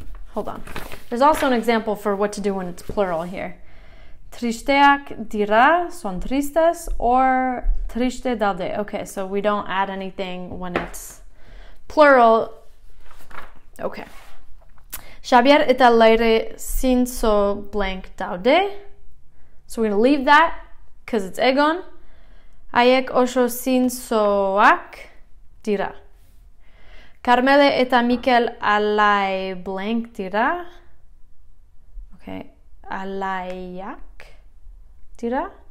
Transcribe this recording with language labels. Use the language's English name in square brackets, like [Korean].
[English] Hold on. There's also an example for what to do when it's plural here. [Basque] Tristeak dira, [Spanish] son tristes, [English] or [Basque] triste daude. [English] Okay, so we don't add anything when it's plural. Okay. [Basque] Xavier eta Leire zintzo blank daude. [English] So we're gonna leave that, because it's Egon. [Basque] Aiek oso zintzoak dira. Carmele eta Mikel alai blank dira. Okay, alaiak dira.